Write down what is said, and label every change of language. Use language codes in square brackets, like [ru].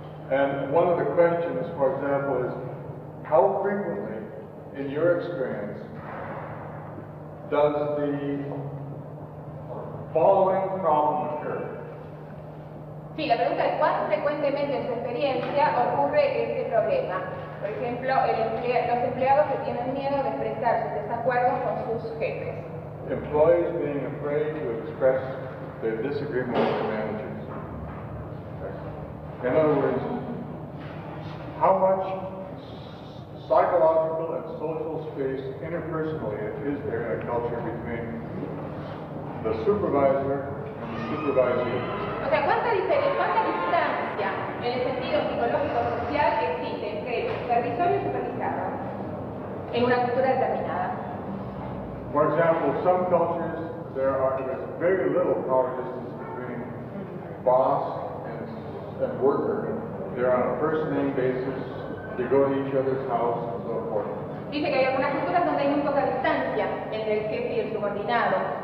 [en] And one of the questions, for example, is how frequently, in your experience, does the following problem occur? [es] Sí, la pregunta es cuán frecuentemente en su experiencia ocurre este problema. Por ejemplo, los empleados que tienen miedo de expresar sus desacuerdos con sus jefes. [en] Employees being afraid to express their disagreement with their managers. In other words, how much psychological and social space interpersonally is there in a culture between the supervisor and the supervisee? [es] O sea, ¿cuánta distancia en el sentido psicológico-social existe entre el servidor y el supervisado en una cultura determinada? [en] For example, some cultures there's very little power distance between boss and worker. They're on a first name basis. They go to each other's house and so forth. [es] Dice que hay algunas culturas donde hay muy poca distancia entre el jefe y el subordinado.